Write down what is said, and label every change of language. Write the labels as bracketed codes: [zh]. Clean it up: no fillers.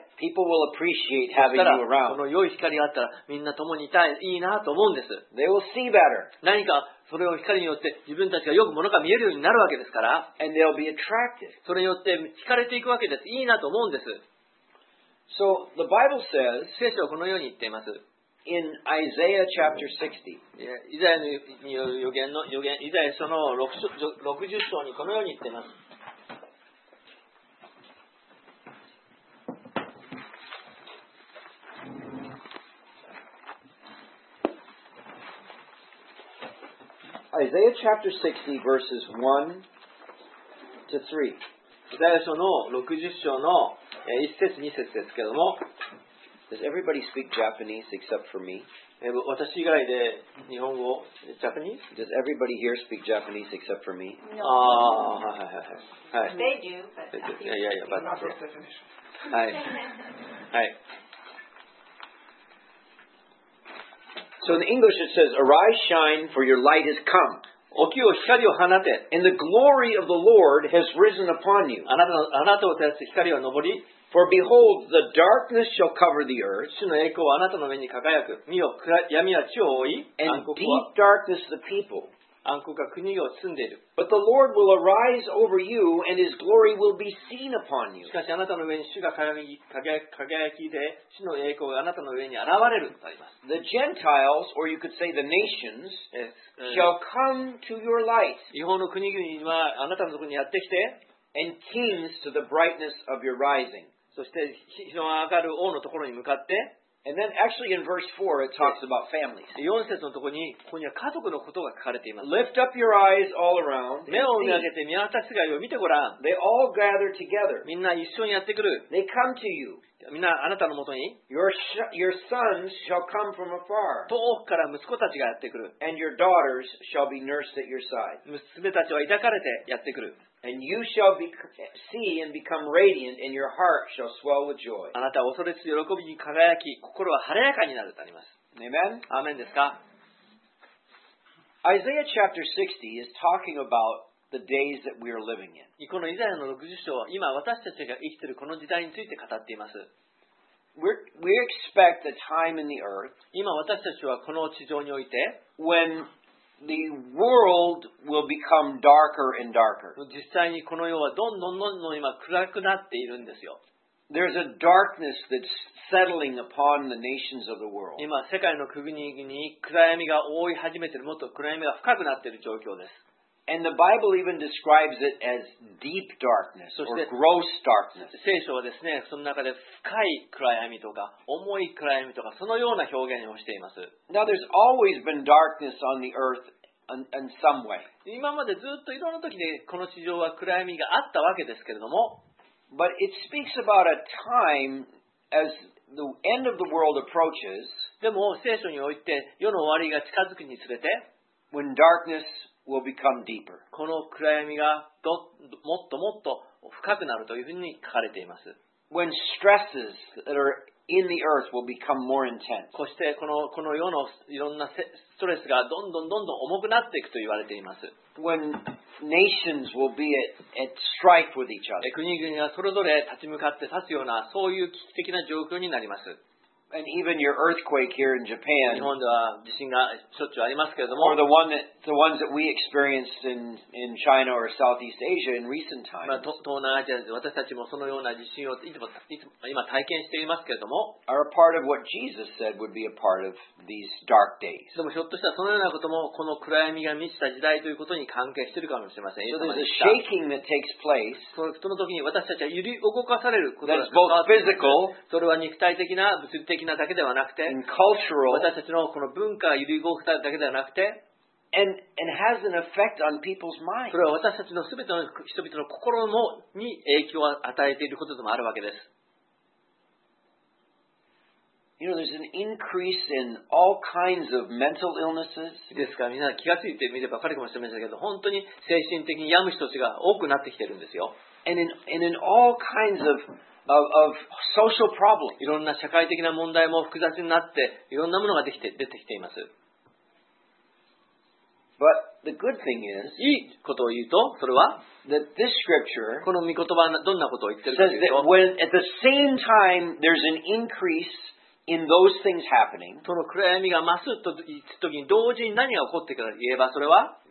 [en] people will appreciate having you around. [ja] この良い光があったら、みんな共にいたい、いいなと思うんです。 [en] They will see better. [ja] 何か、それを光によって自分たちがよくものが見えるようになるわけですから、 [en] and they'll be attracted. [ja] それによって惹かれていくわけです。いいなと思うんです。 [en] So, the Bible says, [ja] 聖書はこのように言っています。 [en] In Isaiah chapter 60. [ja] Yeah, イザヤの予言の予言、イザヤ書の60章にこのように言っています。 [en] Isaiah chapter 60 verses 1 to 3. [ja] イザヤ書の60章の1節2節ですけれども、 [en] Does everybody speak Japanese except for me? [ja] 私以外で日本語、Japanese? [en] Does everybody here speak Japanese except for me? No. Ah, no. They do, but they do. Yeah, but not professional. So in English it says, Arise, shine, for your light has come. [ja] 起きよ、光を放て。 [en] And the glory of the Lord has risen upon you. [ja] あなたを照らす光は昇り。 [en] For behold, the darkness shall cover the earth. [ja] 主の栄光はあなたの目に輝く。見よ、闇は地を覆い。 [en] And deep darkness the people. [ja] 暗黒が国を包んでいる。 [en] But the Lord will arise over you, and His glory will be seen upon you. [ja] しかしあなたの上に主が輝きで、主の栄光があなたの上に現れるとあります。 [en] The Gentiles, or you could say the nations, shall come to your light. [ja] 異邦の国々はあなたのところにやってきて、 [en] And kings to the brightness of your rising. [ja] そして日の上がる王のところに向かって。 [en] And then actually in verse 4 it talks about families. [ja] 4節のところに、ここには家族のことが書かれています。 [en] Lift up your eyes all around. [ja] 目を見上げて見渡すがよ、見てごらん。 [en] They all gather together. [ja] みんな一緒にやってくる。 [en] They come to you. [ja] みんなあなたのもとに。 [en] Your sons shall come from afar. [ja] 遠くから息子たちがやってくる。 [en] And your daughters shall be nursed at your side. [ja] 娘たちは抱かれてやってくる。 [en] And you shall be, see and become radiant, and your heart shall swell with joy. [ja] あなたは恐れず喜びに輝き、心は晴れやかになるとあります。 [en] Amen? [ja] アーメンですか? [en] Isaiah chapter 60 is talking about the days that we are living in. [ja] このイザヤの60章は、今私たちが生きているこの時代について語っています。 [en] We expect a time in the earth [ja] 今私たちはこの地上において [en] when the world will become darker and darker. [ja] 実際にこの世はどんどんどんどん今暗くなっているんですよ。 [en] There's a darkness that's settling upon the nations of the world. [ja] 今世界の国々に暗闇が覆い始めている、もっと暗闇が深くなっている状況です。 [en] And the Bible even describes it as deep darkness or gross darkness. [ja] 聖書はですね、その中で深い暗闇とか重い暗闇とかそのような表現をしています。 [en] Now there's always been darkness on the earth in some way. [ja] 今までずっといろんな時でこの地上は暗闇があったわけですけれども、 [en] But it speaks about a time as the end of the world approaches. [ja] でも聖書において世の終わりが近づくにつれて、 [en] When darkness will become deeper. [ja] この暗闇がもっともっと深くなるというふうに書かれています。 [en] When stresses that are in the earth will become more intense. [ja] そしてこの世のいろんなストレスがどんどんどんどん重くなっていくと言われています。 [en] When nations will be at strife with each other. [ja] 国々がそれぞれ立ち向かって立つようなそういう危機的な状況になります。 [en] And even your earthquake here in Japan, [ja] 日本では地震がしょっちゅうありますけれども、 [en] or the ones that we experienced in China or Southeast Asia in recent times, [ja] 東南アジアで私たちもそのような地震をいつも今体験していますけれども、 [en] are a part of what Jesus said would be a part of these dark days. [ja] でもひょっとしたらそのようなこともこの暗闇が満ちた時代ということに関係しているかもしれません。 [en] So there's a shaking that takes place. [ja] その時に私たちは揺り動かされることが、 [en] that's both physical. [ja] それは肉体的な物理的なだけではなくて、 [en] cultural, [ja] 私たちのこの文化が揺り動くだけではなくて、 [en] and has an effect on people's mind. [ja] それは私たちのすべての人々の心に影響を与えていることでもあるわけです。 [en] You know, there's an increase in all kinds of mental illnesses. [ja] ですから、みんな気がついてみればわかるかもしれませんけど、本当に精神的に病む人たちが多くなってきているんですよ。 [en] And in all kinds of of social problems. [ja] いろんな社会的な問題も複雑になって、いろんなものが出てきています。 [en] But the good thing is, [ja] いいことを言うと、それは、 [en] that this scripture, [ja] この御言葉はどんなことを言ってるかというと、 [en] says that when at the same time there's an increase in those things happening, [ja] その暗闇が増すといった時に同時に何が起こってくるか言えば、それは、